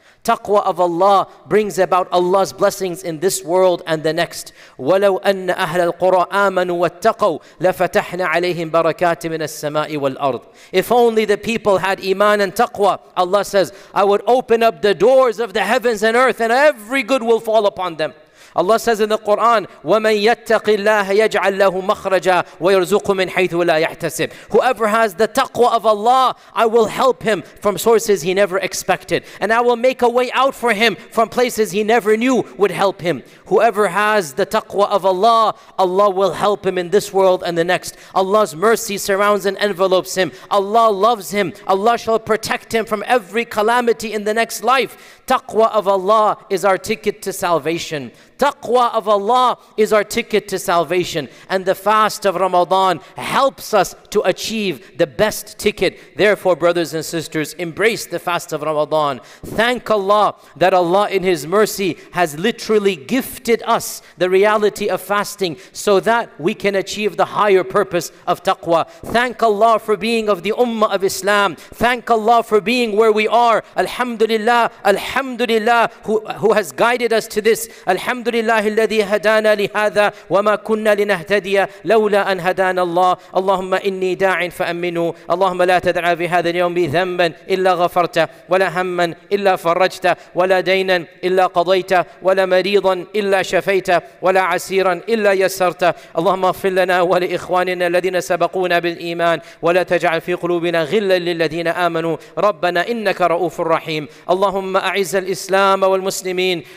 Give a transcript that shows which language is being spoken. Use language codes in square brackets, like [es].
[en] Taqwa of Allah brings about Allah's blessings in this world and the next. [ar] وَلَوْ أَنَّ أَهْلَ الْقُرَىٰ آمَنُوا وَاتَّقَوْا لَفَتَحْنَا عَلَيْهِمْ بَرَكَاتٍ مِنَ السَّمَاءِ وَالْأَرْضِ. [en] If only the people had iman and taqwa, Allah says, I would open up the doors of the heavens and earth and every good will fall upon them. Allah says in the Quran, [ar] وَمَنْ يَتَّقِ اللَّهَ يَجْعَلْ لَهُ مَخْرَجًا وَيَرْزُقُ مِنْ حَيْثُ لَا يَحْتَسِبُ. [en] Whoever has the taqwa of Allah, I will help him from sources he never expected. And I will make a way out for him from places he never knew would help him. Whoever has the taqwa of Allah, Allah will help him in this world and the next. Allah's mercy surrounds and envelopes him. Allah loves him. Allah shall protect him from every calamity in the next life. Taqwa of Allah is our ticket to salvation. Taqwa of Allah is our ticket to salvation. And the fast of Ramadan helps us to achieve the best ticket. Therefore, brothers and sisters, embrace the fast of Ramadan. Thank Allah that Allah in His mercy has literally gifted us the reality of fasting so that we can achieve the higher purpose of taqwa. Thank Allah for being of the Ummah of Islam. Thank Allah for being where we are. Alhamdulillah, Alhamdulillah, who has guided us to this. [ar] الحمد لله الذي هدانا لهذا وما كنا لنهتدي لولا أن هدانا الله اللهم إني داع فأمنه اللهم لا تدع في هذا اليوم ذنبا إلا غفرته ولا هما إلا فرجته ولا دينا إلا قضيته ولا مريضا إلا شفيته ولا عسيرا إلا يسرته اللهم اغفر لنا ولإخواننا الذين سبقونا بالإيمان ولا تجعل في قلوبنا غلا للذين آمنوا ربنا إنك رؤوف رحيم اللهم أعز الإسلام والمسلمين